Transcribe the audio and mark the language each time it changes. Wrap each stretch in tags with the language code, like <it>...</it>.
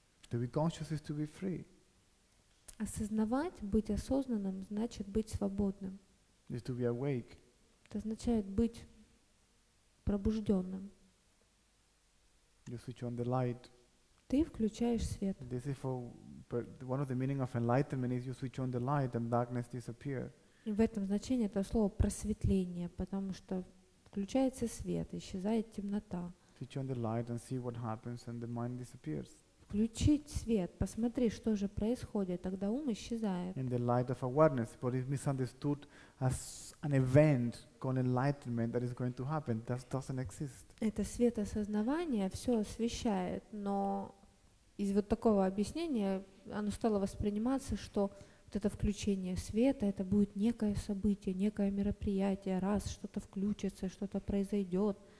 <en>To be conscious is to be free.</en> <ru>Осознавать, быть осознанным, значит быть свободным.</ru> <en>Is to be awake.</en> <ru>Это означает быть пробужденным.</ru> <en>You switch on the light.</en> <ru>Ты включаешь свет.</ru> <en>This is for one of the meaning of enlightenment is you switch on the light and darkness disappears.</en> <ru>И в этом значении это слово просветление, потому что включается свет, исчезает темнота.</ru> <en>Switch on the light and see what happens and the mind disappears.</en> <ru>Включить свет, посмотри, что же происходит, тогда ум исчезает.</ru> <en>In the light of awareness, but it's misunderstood as an event called enlightenment that is going to happen. That doesn't exist.</en> <ru>Это свет осознавания все освещает, но из вот такого объяснения оно стало восприниматься, что это включение света, это будет некое событие, некое мероприятие, раз что-то включится, что-то произойдет.</ru>